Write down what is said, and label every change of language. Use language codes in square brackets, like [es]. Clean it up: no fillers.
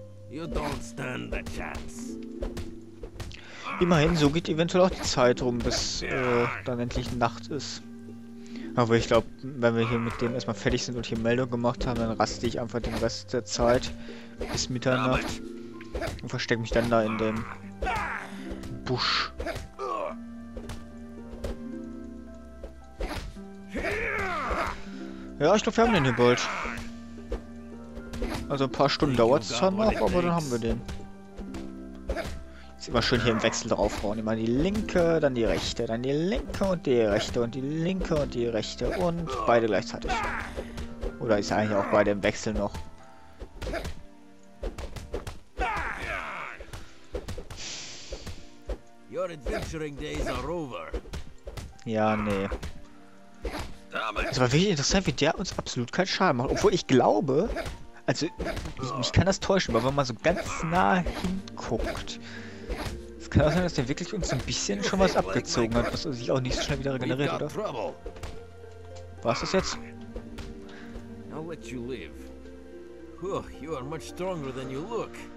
[en] You don't stand the chance. [de] Immerhin, so geht eventuell auch die Zeit rum, bis dann endlich Nacht ist. Aber ich glaube, wenn wir hier mit dem erstmal fertig sind und hier Meldung gemacht haben, dann raste ich einfach den Rest der Zeit bis Mitternacht und verstecke mich dann da in dem Busch. Ja, ich glaube, wir haben den hier bald. Also ein paar Stunden dauert es zwar noch, aber dann haben wir den. Ist immer schön hier im Wechsel draufhauen. Immer die linke, dann die rechte, dann die linke und die rechte und die linke und die rechte und beide gleichzeitig. Oder ist eigentlich auch beide im Wechsel noch. [en] Your adventuring days are over. [de] Ja, nee. Es war wirklich interessant, wie der uns absolut keinen Schaden macht. Obwohl ich glaube, also ich kann das täuschen, aber wenn man so ganz nah hinguckt, es kann auch sein, dass der wirklich uns ein bisschen schon was abgezogen hat, was sich auch nicht so schnell wieder regeneriert, oder? Was ist jetzt? [en] I'll let you live. Oh, you are much stronger than you look.